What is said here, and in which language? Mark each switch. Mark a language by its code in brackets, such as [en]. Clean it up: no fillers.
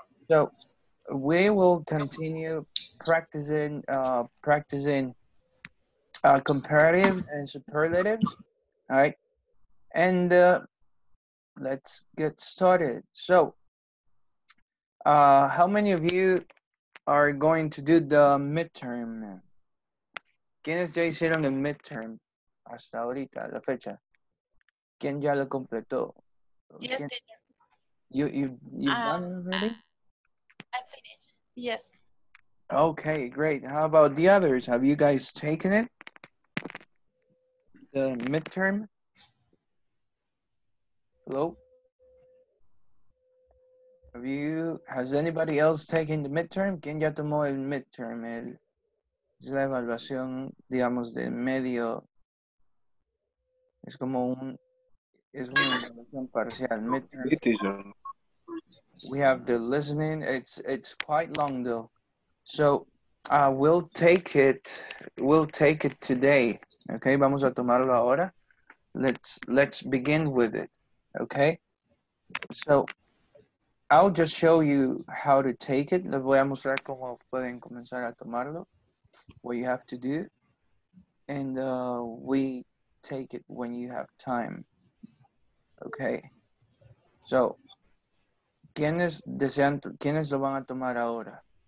[en] So we will continue practicing comparative and superlatives, all right? And let's get started. So how many of you are going to do the midterm? [es] ¿Quiénes ya hicieron el midterm hasta ahorita, la fecha? ¿Quién ya lo completó? [en] Yes, [es] ¿Quién? [en] teacher. You've done already? I finished. Yes. Okay, great. How about the others? Have you guys taken it? The midterm? Hello? Has anybody else taken the midterm? [es] ¿Quién ya tomó el midterm? Es la evaluación, digamos, de medio. Es como un. Es una evaluación parcial, midterm. [en] We have the listening. It's quite long though, so we'll take it today. Okay, [es] vamos a tomarlo ahora. [en] Let's begin with it. Okay, so I'll just show you how to take it. [es] Les voy a mostrar cómo pueden comenzar a tomarlo. [en] What you have to do, and we take it when you have time. [es] Okay, so ¿quiénes lo van a tomar ahora?